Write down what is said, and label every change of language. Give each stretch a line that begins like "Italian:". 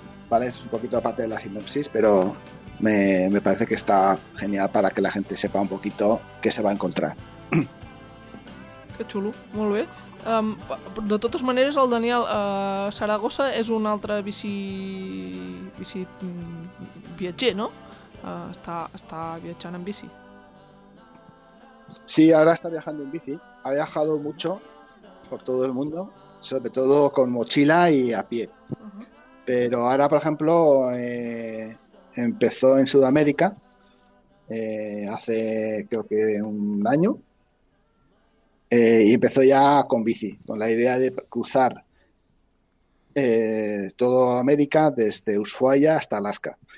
Spanish: Vale, es un poquito aparte de la sinopsis, pero me parece que está genial para que la gente sepa un poquito qué se va a encontrar. Qué chulo,
Catalan: molt bé. De totes maneres, el Daniel Zaragoza és un altre bici viatger, no? Està viatjant en bici.
Spanish: Sí, ahora está viajando en bici. Ha viajado mucho por todo el mundo, sobre todo con mochila y a pie. Uh-huh. Pero ahora, por ejemplo, empezó en Sudamérica hace creo que un año y empezó ya con bici, con la idea de cruzar todo América desde Ushuaia hasta Alaska.